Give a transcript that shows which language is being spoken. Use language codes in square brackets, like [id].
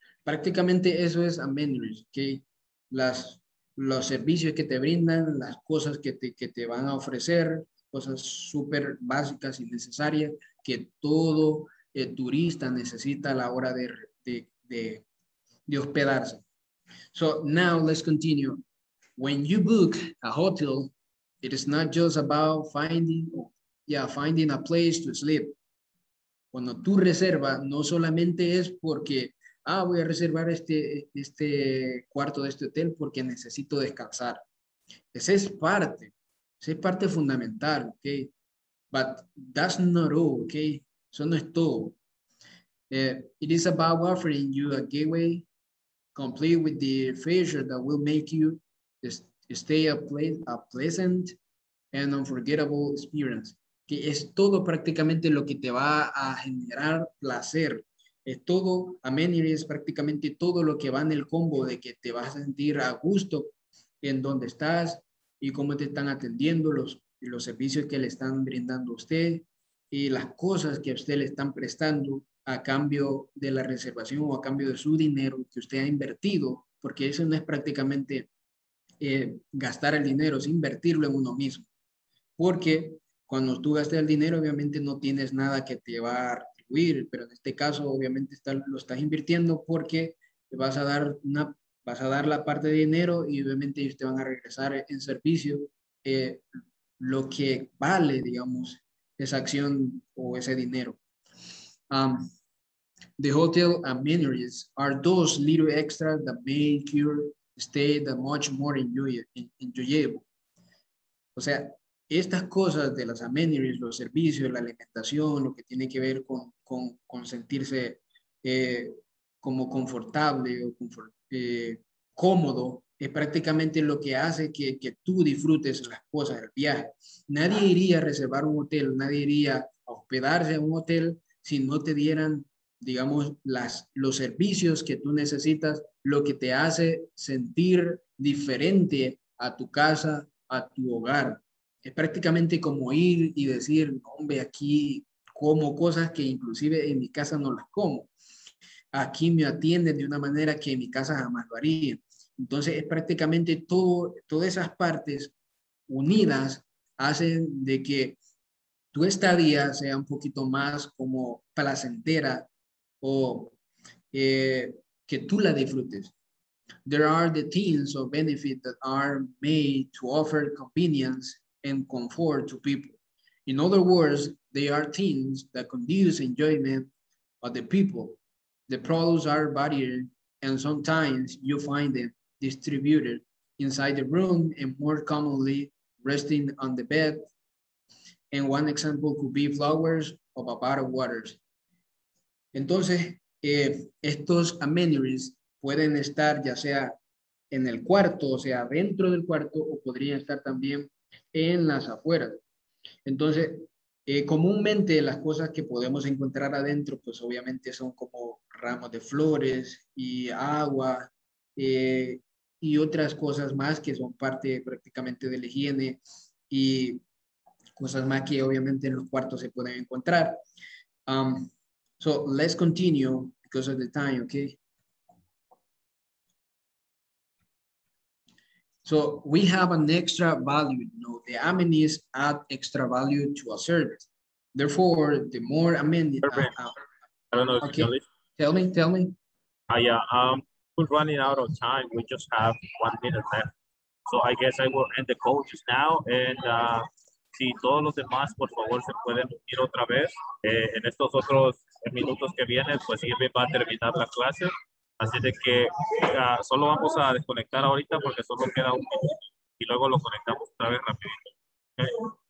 [es] Prácticamente eso es amenities, que las los servicios que te brindan, las cosas que te van a ofrecer, cosas súper básicas y necesarias que todo turista necesita a la hora de hospedarse. [en] So now let's continue. When you book a hotel, it is not just about finding a place to sleep. [es] Cuando tú reservas, no solamente es porque, voy a reservar este cuarto de este hotel porque necesito descansar. Esa es parte fundamental, okay? [en] But that's not all, okay? [es] Eso no es todo. [en] It is about offering you a gateway complete with the feature that will make you stay a pleasant and unforgettable experience. [es] Que es todo prácticamente lo que te va a generar placer. Es todo, amenities, prácticamente todo lo que va en el combo de que te vas a sentir a gusto en donde estás y cómo te están atendiendo, los servicios que le están brindando a usted y las cosas que a usted le están prestando a cambio de la reservación o a cambio de su dinero que usted ha invertido, porque eso no es prácticamente gastar el dinero, es invertirlo en uno mismo. Porque cuando tú gastas el dinero, obviamente no tienes nada que te va a retribuir, pero en este caso, obviamente lo estás invirtiendo porque vas a dar la parte de dinero y obviamente ellos te van a regresar en servicio lo que vale, digamos, esa acción o ese dinero. [en] The hotel amenities are those little extras that make your stay that much more enjoyable. [es] O sea, estas cosas de las amenities, los servicios, la alimentación, lo que tiene que ver con sentirse como confortable o cómodo, es prácticamente lo que hace que tú disfrutes las cosas del viaje. Nadie iría a reservar un hotel, nadie iría a hospedarse en un hotel si no te dieran, digamos, los servicios que tú necesitas, lo que te hace sentir diferente a tu casa, a tu hogar. Es prácticamente como ir y decir, hombre, aquí como cosas que inclusive en mi casa no las como. Aquí me atienden de una manera que en mi casa jamás lo haría. Entonces, es prácticamente todas esas partes unidas hacen de que tu estadía sea un poquito más como placentera o que tú la disfrutes. [en] There are the things of benefit that are made to offer convenience and comfort to people. In other words, they are things that conduce enjoyment of the people. The products are varied, and sometimes you find them distributed inside the room and more commonly resting on the bed. And one example could be flowers or a bottle of water. [es] Entonces, estos amenities pueden estar ya sea en el cuarto, o sea, dentro del cuarto, o podrían estar también en las afueras. Entonces, comúnmente las cosas que podemos encontrar adentro, pues obviamente son como ramos de flores y agua y otras cosas más que son parte prácticamente de la higiene y cosas más que obviamente en los cuartos se pueden encontrar. [en] So let's continue because of the time, okay? So we have an extra value, you know, the amenities add extra value to a service. Therefore, the more amenities. I don't know. Okay. Tell me. We're running out of time. We just have 1 minute left. So I guess I will end the call just now. [es] And si todos los demás, por favor, se pueden unir otra vez. En estos otros minutos que vienen, pues Irving va a terminar la clase. Así de que solo vamos a desconectar ahorita porque solo queda un minuto y luego lo conectamos otra vez rapidito.